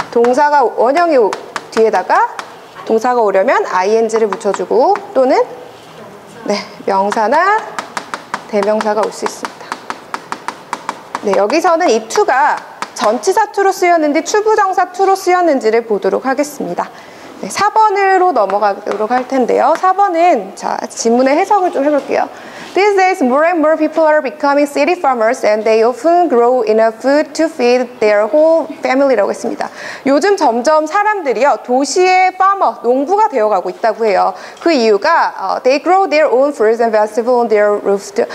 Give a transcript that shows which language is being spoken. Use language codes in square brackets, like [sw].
[ko] 동사가 원형이 뒤에다가 동사가 오려면 ing를 붙여주고 또는 네, 명사나 대명사가 올 수 있습니다. 네, 여기서는 이 to가 전치사 to로 쓰였는지 추부정사 to로 쓰였는지를 보도록 하겠습니다. 네, 4번으로 넘어가도록 할 텐데요. 4번은 자, 지문의 해석을 좀 해볼게요. [en] These days more and more people are becoming city farmers and they often grow enough food to feed their whole family [ko] 라고 했습니다. 요즘 점점 사람들이요, 도시의 farmer, 농부가 되어가고 있다고 해요. 그 이유가 [en] they grow their own fruits and vegetables on their roofs.